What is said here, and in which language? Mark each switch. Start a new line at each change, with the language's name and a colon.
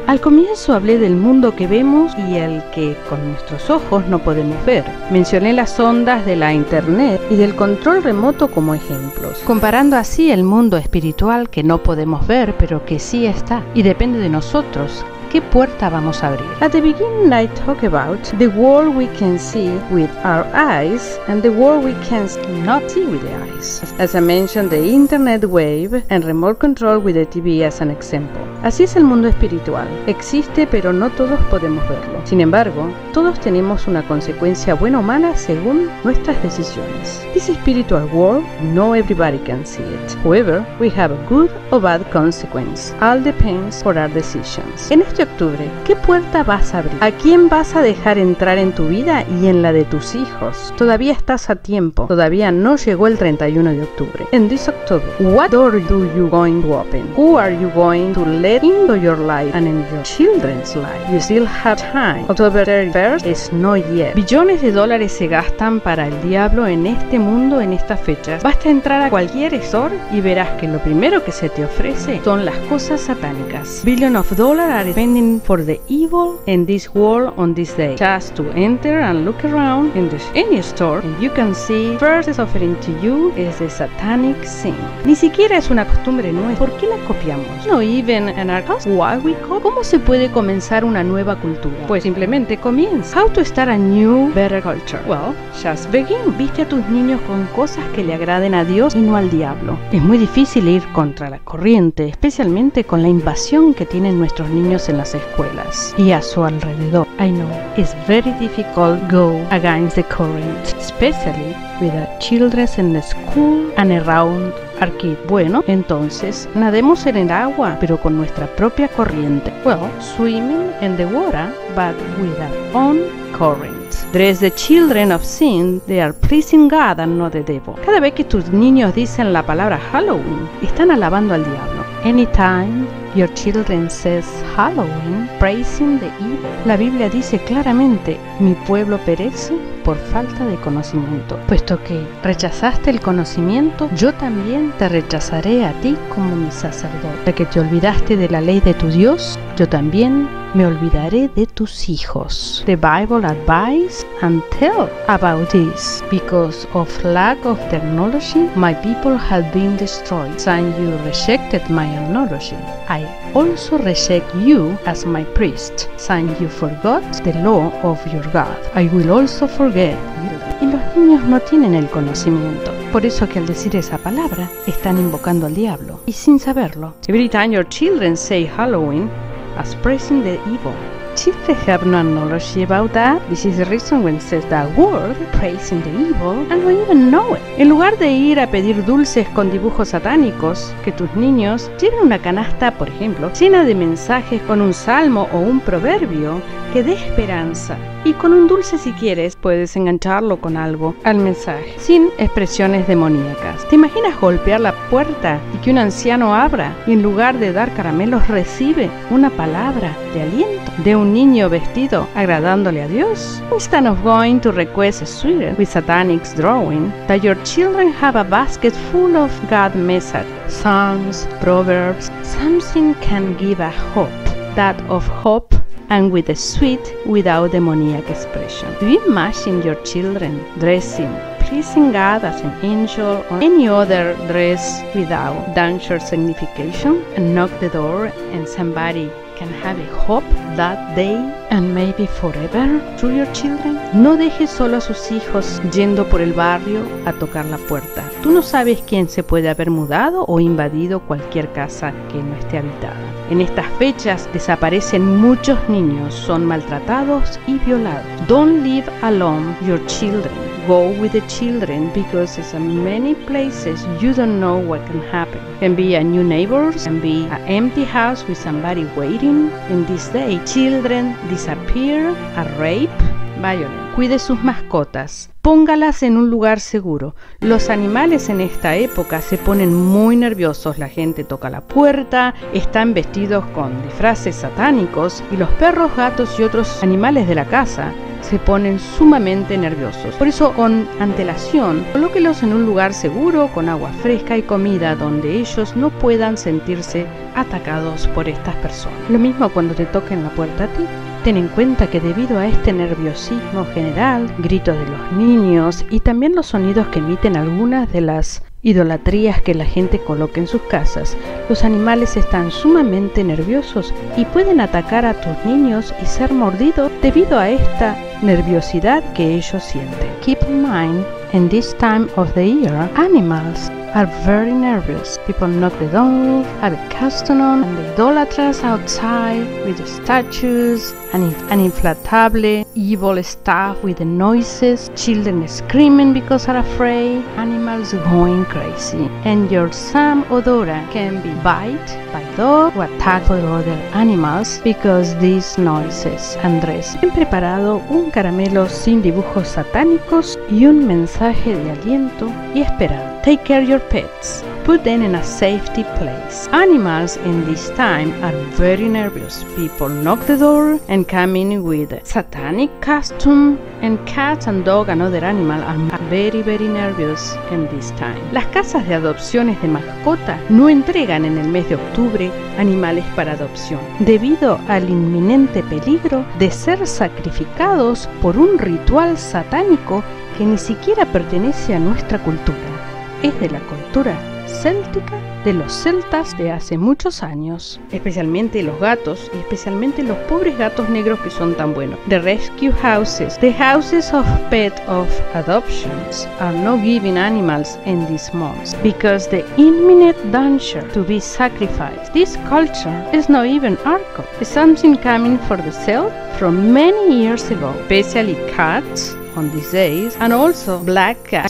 Spanish: Al comienzo hablé del mundo que vemos y el que con nuestros ojos no podemos ver. Mencioné las ondas de la internet y del control remoto como ejemplos, comparando así el mundo espiritual que no podemos ver pero que sí está y depende de nosotros. ¿Qué puerta vamos a abrir?
English: At the beginning I talk about the world we can see with our eyes and the world we can not see with the eyes. As I mentioned, the internet wave and remote control with the TV as an example.
Spanish: Así es el mundo espiritual. Existe, pero no todos podemos verlo. Sin embargo, todos tenemos una consecuencia buena o mala según nuestras decisiones.
English: This spiritual world, no everybody can see it. However, we have a good or bad consequence. All depends on our decisions.
Spanish: En este octubre, ¿qué puerta vas a abrir? ¿A quién vas a dejar entrar en tu vida y en la de tus hijos? Todavía estás a tiempo. Todavía no llegó el 31 de octubre.
English: In this October, what door do you going to open? Who are you going to let into your life and in your children's life? You still have time. October 31st is not yet.
Spanish: Billones de dólares se gastan para el diablo en este mundo en estas fechas. Basta entrar a cualquier store y verás que lo primero que se te ofrece son las cosas satánicas.
English: Billion of dollars are spending for the evil in this world on this day. Just to enter and look around in any store and you can see first is offering to you is the satanic sin.
Spanish: Ni siquiera es una costumbre nuestra. ¿Por qué la copiamos?
English: No even an arcos. Why we copy?
Spanish: ¿Cómo se puede comenzar una nueva cultura? Pues simplemente comienza.
English: How to start a new, better culture? Well, just begin.
Spanish: Viste a tus niños con cosas que le agraden a Dios y no al diablo. Es muy difícil ir contra la corriente, especialmente con la invasión que tienen nuestros niños en las escuelas y a su alrededor.
English: I know, it's very difficult go against the current, especially with our children in the school and around our kids.
Spanish: Bueno, entonces, nademos en el agua, pero con nuestra propia corriente.
English: Well, swimming in the water, but with our own current. There is the children of sin, they are pleasing God and not the devil.
Spanish: Cada vez que tus niños dicen la palabra Halloween, están alabando al diablo.
English: Anytime your children says Halloween, praising the evil.
Spanish: La Biblia dice claramente, mi pueblo perece por falta de conocimiento. Puesto que rechazaste el conocimiento, yo también te rechazaré a ti como mi sacerdote. Ya que te olvidaste de la ley de tu Dios, yo también me olvidaré de tus hijos.
English: The Bible advises and tells about this. Because of lack of technology, my people have been destroyed. And you rejected my technology. I also reject you as my priest. And you forgot the law of your God. I will also forget you.
Spanish: Y los niños no tienen el conocimiento. Por eso que al decir esa palabra, están invocando al diablo. Y sin saberlo.
English: Every time your children say Halloween, as praising the evil. Children have no knowledge about that. This is the reason when says that word, praising the evil, and we even know it.
Spanish: En lugar de ir a pedir dulces con dibujos satánicos, que tus niños lleven una canasta, por ejemplo, llena de mensajes con un salmo o un proverbio que dé esperanza. Y con un dulce, si quieres, puedes engancharlo con algo al mensaje, sin expresiones demoníacas. ¿Te imaginas golpear la puerta y que un anciano abra y en lugar de dar caramelos recibe una palabra de aliento de un niño vestido agradándole a Dios?
English: Instead of going to request a sweater with satanic drawing, that your children have a basket full of God message, psalms, proverbs, something can give a hope, that of hope, and with a sweet without demonic expression. Do you imagine your children dressing, pleasing God as an angel or any other dress without danger signification and knock the door and somebody can have a hope that day and maybe forever through your children?
Spanish: No dejes solo a sus hijos yendo por el barrio a tocar la puerta. Tú no sabes quién se puede haber mudado o invadido cualquier casa que no esté habitada. En estas fechas desaparecen muchos niños, son maltratados y violados.
English: Don't leave alone your children. Go with the children because there's many places you don't know what can happen. Can be a new neighbor, can be an empty house with somebody waiting. In this day, children disappear, are raped,
Spanish: Violet. Cuide sus mascotas. Póngalas en un lugar seguro. Los animales en esta época se ponen muy nerviosos. La gente toca la puerta, están vestidos con disfraces satánicos y los perros, gatos y otros animales de la casa se ponen sumamente nerviosos. Por eso, con antelación, colóquelos en un lugar seguro con agua fresca y comida donde ellos no puedan sentirse atacados por estas personas. Lo mismo cuando te toquen la puerta a ti. Ten en cuenta que debido a este nerviosismo general, gritos de los niños y también los sonidos que emiten algunas de las idolatrías que la gente coloca en sus casas, los animales están sumamente nerviosos y pueden atacar a tus niños y ser mordidos debido a esta nerviosidad que ellos sienten.
English: Keep in mind, in this time of the year, animals are very nervous. People knock the door, have a custom on, and the idolatras outside with the statues, an inflatable evil stuff with the noises, children screaming because are afraid, animals going crazy. And your Sam Odora can be bite by dog or attacked by other animals because these noises.
Spanish: Andrés, he preparado un caramelo sin dibujos satánicos y un mensaje de aliento y esperanza.
English: Take care of your pets. Put them in a safety place. Animals in this time are very nervous. People knock the door and come in with a satanic costume. And cats and dogs and other animals are very, very nervous in this time.
Spanish: Las casas de adopciones de mascotas no entregan en el mes de octubre animales para adopción debido al inminente peligro de ser sacrificados por un ritual satánico que ni siquiera pertenece a nuestra cultura. Es de la cultura céltica, de los celtas de hace muchos años, especialmente los gatos y especialmente los pobres gatos negros que son tan buenos.
English: The rescue houses, the houses of pet of adoptions, are not giving animals in these months because the imminent danger to be sacrificed. This culture is not even archaic. It's something coming for the Celt from many years ago, especially cats on these days, and also black cats.